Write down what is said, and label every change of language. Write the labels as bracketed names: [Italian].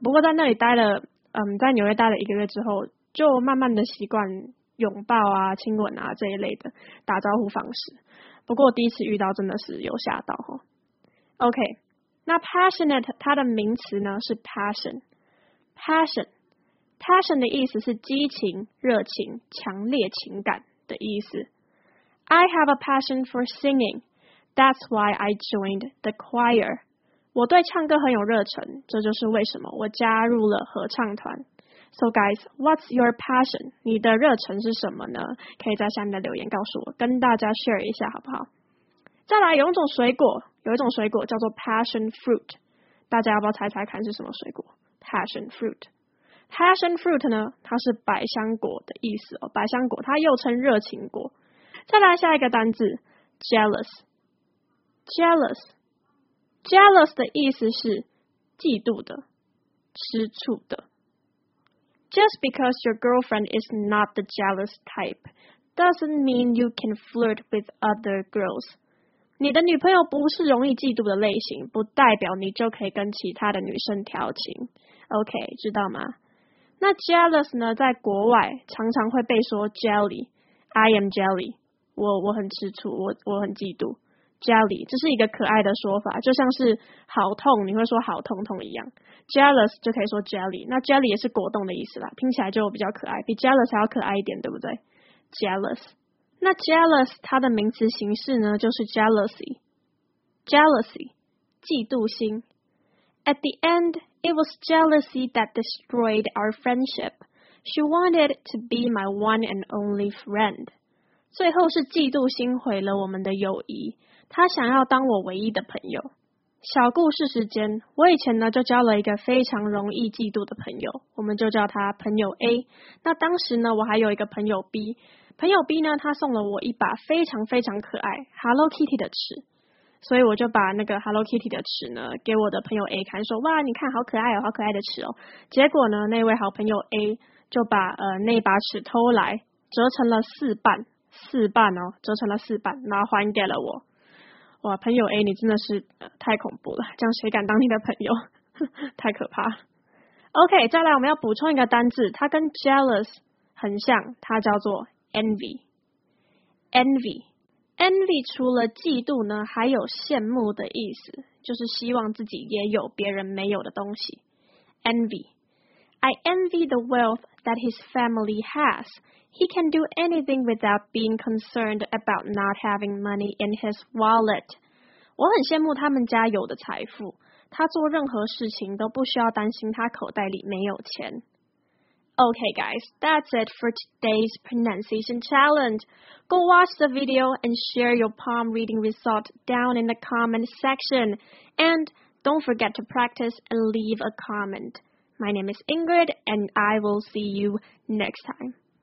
[Chinese] 不过在那里待了，在纽约待了一个月之后，就慢慢的习惯拥抱啊、亲吻啊这一类的打招呼方式。不过第一次遇到真的是有吓到哈。OK， 那 passionate 它的名词呢是 passion 的意思是激情、热情、强烈情感的意思。 [English] I have a passion for singing. That's why I joined the choir. [Chinese] 我对唱歌很有热忱，这就是为什么我加入了合唱团。 [English] So guys, what's your passion? [Chinese] 你的热忱是什么呢？可以在下面的留言告诉我，跟大家 share 一下好不好？再来有一种水果，有一种水果叫做 passion fruit， 大家要不要猜猜看是什么水果？ passion fruit， passion fruit 呢，它是百香果的意思哦，百香果它又称热情果。再来下一个单字 jealous， jealous， jealous 的意思是嫉妒的，吃醋的。 [English] Just because your girlfriend is not the jealous type doesn't mean you can flirt with other girls. [Chinese] 你的女朋友不是容易嫉妒的类型，不代表你就可以跟其他的女生调情。 OK， 知道吗？那 jealous 呢，在国外常常会被说 jelly， [English] I am jelly， [Chinese] 我很吃醋，我很嫉妒。 Jelly， 这是一个可爱的说法，就像是好痛，你会说好痛痛一样。 Jealous 就可以说 jelly， 那 jelly 也是果冻的意思啦，听起来就比较可爱，比 jealous 还要可爱一点，对不对？ Jealous， 那 jealous 它的名词形式呢，就是 jealousy， jealousy， 嫉妒心。 [English] At the end, it was jealousy that destroyed our friendship. She wanted to be my one and only friend. [Chinese] 最后是嫉妒心毁了我们的友谊。他想要当我唯一的朋友。小故事时间，我以前呢就交了一个非常容易嫉妒的朋友，我们就叫他朋友 A。那当时呢我还有一个朋友 B， 朋友 B 呢他送了我一把非常非常可爱 Hello Kitty 的尺，所以我就把那个 Hello Kitty 的尺呢给我的朋友 A 看，说哇你看好可爱哦，好可爱的尺哦。结果呢那位好朋友 A 就把那把尺偷来折成了四半，四半哦，折成了四半，然后还给了我。哇，朋友 A， 你真的是太恐怖了，这样谁敢当你的朋友？太可怕。 OK， 再来我们要补充一个单字，它跟 jealous 很像，它叫做 envy。 envy， envy 除了嫉妒呢，还有羡慕的意思，就是希望自己也有别人没有的东西。 [English] envy， I envy the wealth that his family has. He can do anything without being concerned about not having money in his wallet. [Chinese] 我很羡慕他们家有的财富，他做任何事情都不需要担心他口袋里没有钱。 [English] Okay guys, that's it for today's pronunciation challenge. Go watch the video and share your palm reading result down in the comment section. And don't forget to practice and leave a comment. My name is Ingrid and I will see you next time.